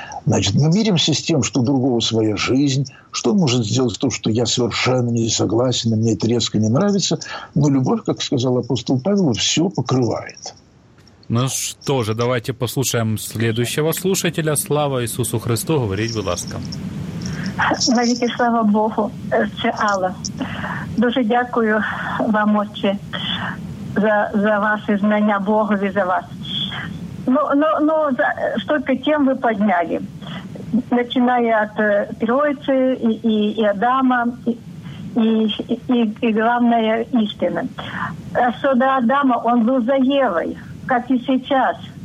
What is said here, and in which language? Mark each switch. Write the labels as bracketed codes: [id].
[ru] Значит, мы миримся с тем, что у другого своя жизнь, что он может сделать то, что я совершенно не согласен, и мне это резко не нравится. Но любовь, как сказал апостол Павел, все покрывает. Ну что же, давайте послушаем следующего слушателя. Слава Иисусу Христу, [uk] говорить, будь ласка. Навіки, слава Богу, це Алла. Дуже дякую вам, отче, за ваші знання Богові, за вас. [ru] Ну, столько тем вы подняли, начиная от Троицы и Адама, и главная истина. А что до Адама, он был за Евой, как и сейчас.